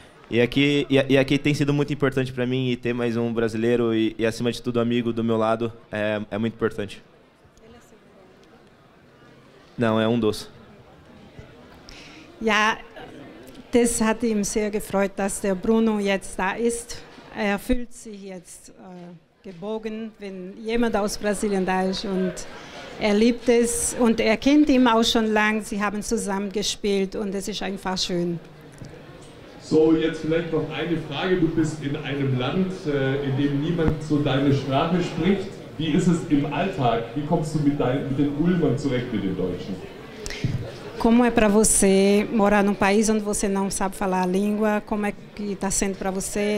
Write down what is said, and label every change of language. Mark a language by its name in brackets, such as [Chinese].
[Portuguese] E aqui tem sido muito importante para mim, e ter mais um brasileiro e acima de tudo amigo do meu lado é muito importante. Ele é seu? Não, é um doce. [German] Ja, das hat ihm sehr gefreut, dass der Bruno jetzt da ist. Er fühlt sich jetzt geborgen, wenn jemand aus Brasilien da ist, und er liebt es und er kennt ihn auch schon lang. Sie haben zusammen gespielt und es ist einfach schön. So, jetzt vielleicht noch eine Frage. Du bist in einem Land, in dem niemand so deine Sprache spricht. Wie ist es im Alltag? Wie kommst du mit den Ulmern zurecht, mit den Deutschen? [Portuguese] Como é para você morar num país onde você não sabe falar a língua? Como é que está sendo para você?